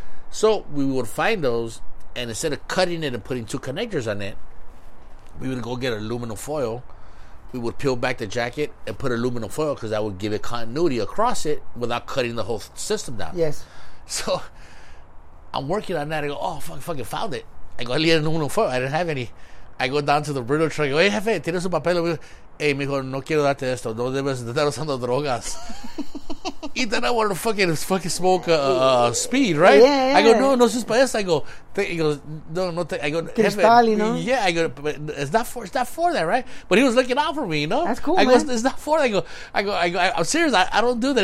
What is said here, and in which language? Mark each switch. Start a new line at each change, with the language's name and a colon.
English: So we would find those, and instead of cutting it and putting two connectors on it, we would go get aluminum foil. We would peel back the jacket and put aluminum foil, because that would give it continuity across it without cutting the whole system down. Yes. So I'm working on that. I go, oh, fucking found it. I go, I need aluminum foil. I didn't have any. I go down to the Brito truck.
Spanish: I go, hey, jefe, ¿tienes un papel? Hey, mijo, no quiero darte esto. No debes de estar usando drogas.
English: He then I want to fucking smoke speed, right? Yeah. I go, no, no, just by this. I go, he goes, no, no. I go, Cristal, you know? Yeah, I go, but it's not for that, right? But he was looking out for me, you know? That's cool, I go, man. It's not for that. I go, I'm serious. I don't do that.